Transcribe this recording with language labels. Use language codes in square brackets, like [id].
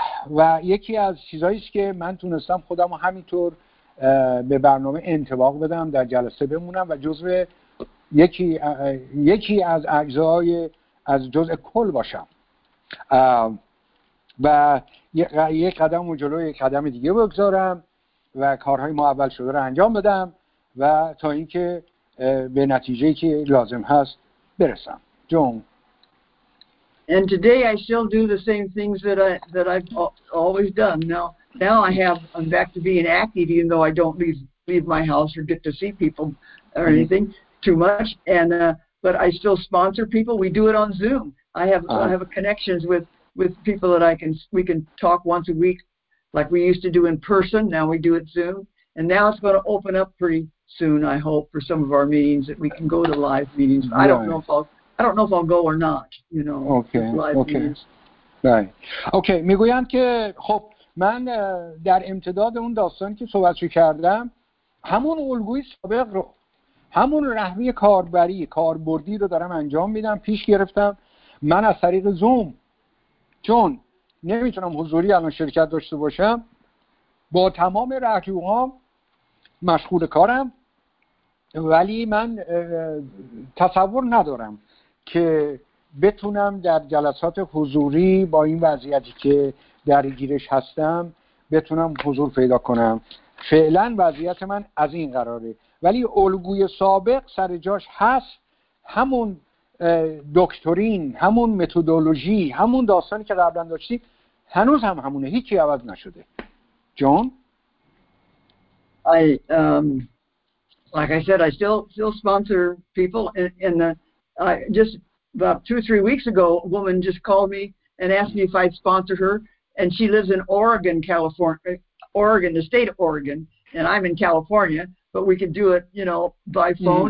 [fa] و یکی از چیزاییست که من تونستم خودم رو همینطور به برنامه انطباق بدم، در جلسه بمونم و جزو یکی از اجزای از جزء کل باشم و یک قدم و جلو یک قدم دیگه بگذارم و کارهای ما اول شده رو انجام بدم و تا اینکه به نتیجه‌ای که لازم هست برسم. جون. [en] And today I still do the same things that I've always done. Now I'm back to being active, even though I don't leave my house or get to see people or anything too much. But I still sponsor people. We do it on Zoom. I have connections with people that we can talk once a week, like we used to do in person. Now we do it Zoom, and now it's going to open up pretty soon, I hope, for some of our meetings that we can go to live meetings. Right. I don't know if I'll go or not. You know, live meetings. Okay. [fa] میگویند که خب من در امتداد اون داستانی که صحبت کردم همون الگوی سابق رو، همون رهبری کاربری کاربردی رو دارم انجام میدم، پیش گرفتم من از طریق زوم، چون نمیتونم حضوری الان شرکت داشته باشم، با تمام رهبریام مشغول کارم. ولی من تصور ندارم که بتونم در جلسات حضوری با این وضعیتی که درگیرش هستم بتونم حضور پیدا کنم. فعلا وضعیت من از این قراره، ولی الگوی سابق سر جاش هست، همون دکترین، همون متدولوژی، همون داستانی که قبلا داشتی هنوز هم همونه، هیچی عوض نشده. جان؟ [en] I still sponsor people in the just about 2-3 weeks ago a woman just called me and asked me if I'd sponsor her, and she lives in Oregon, California, Oregon, the state of Oregon, and I'm in California, but we could do it, you know, by phone.